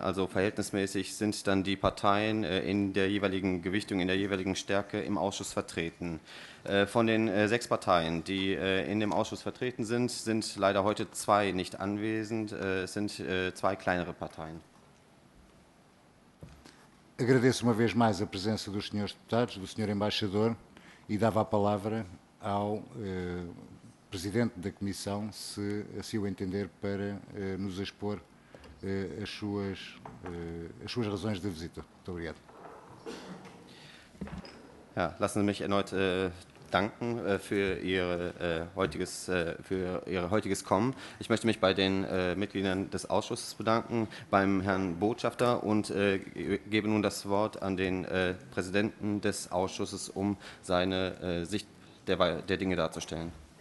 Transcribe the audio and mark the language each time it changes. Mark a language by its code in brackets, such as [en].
[de] Also verhältnismäßig sind dann die Parteien in der jeweiligen Gewichtung, in der jeweiligen Stärke im Ausschuss vertreten. Von den sechs Parteien, die in dem Ausschuss vertreten sind, sind leider heute zwei nicht anwesend. Es sind zwei kleinere Parteien. [pt] Agradeço uma vez mais a presença dos senhores deputados, do senhor embaixador, e dava a palavra ao presidente da comissão, se assim o entender, para nos expor as suas razões de visita. Muito obrigado. [de] Ja, lassen Sie mich erneut danken für Ihr heutiges Kommen. Ich möchte mich bei den Mitgliedern des Ausschusses bedanken, beim Herrn Botschafter, und gebe nun das Wort an den Präsidenten des Ausschusses, um seine Sicht der Dinge darzustellen.